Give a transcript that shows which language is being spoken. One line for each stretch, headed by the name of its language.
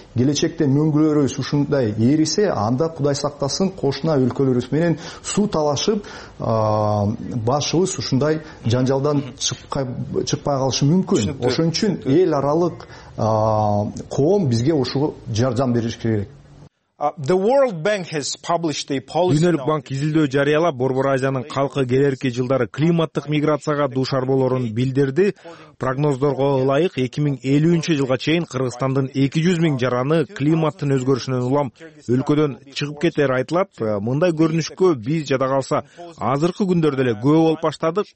Kyrgyz: Келечекте мөңгүлөрүбүз ушундай ээрисе, анда Кудай сактасын кошуна өлкөлөрүбүз менен суу талашып, башыбыз ушундай жанжалдан чыкпай калышы мүмкүн. Ошон үчүн эл аралык коом бизге ушуга жардам бериш керек.
English: The World Bank has published a policy.
Kyrgyz: Дүйнөлүк банк изилдөө жарыялап, Борбор Азиянын калкы келерки жылдары климаттык миграцияга дуушар болорун билдирди. Прогноздорго ылайык, 2050 жылга чейин Кыргызстандын 200 000 жараны климаттын өзгөрүшүнөн улам өлкөдөн чыгып кетери айтылат. Мындай көрүнүшкө биз жада калса, азыркы күндөрдө эле күбө болуп баштадык.